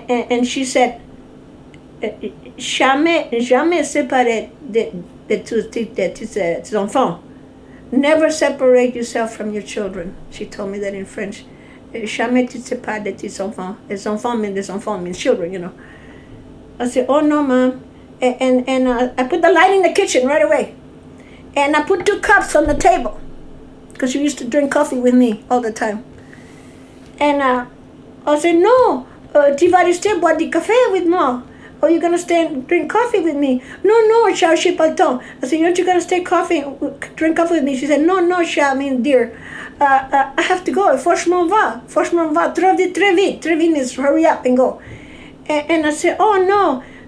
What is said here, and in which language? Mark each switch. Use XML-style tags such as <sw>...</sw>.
<en>And she said,</en> <fr>jamais séparé de tous tes enfants.</fr> <en>Never separate yourself from your children. She told me that in French.</en> <fr>Jamais tu sépares de tes enfants.</fr> <en>Les enfants means children, you know. I said, oh, no, Mom. And I put the light in the kitchen right away. And I put two cups on the table. Because you used to drink coffee with me all the time. And I said, no,</en> <fr>tu vas rester boire du café avec moi.</fr> <en>Oh, you're going to stay and drink coffee with me.</en> <fr>No, no, cher, je pas le temps.</fr> <en>I said, aren't you going to stay drink coffee with me? She said, no, cher, I mean, dear. I have to go.</en> <fr>Faut que je m'en va. Très vite.</fr> <en>Très vite means hurry up and go. And I said, oh, no.</en>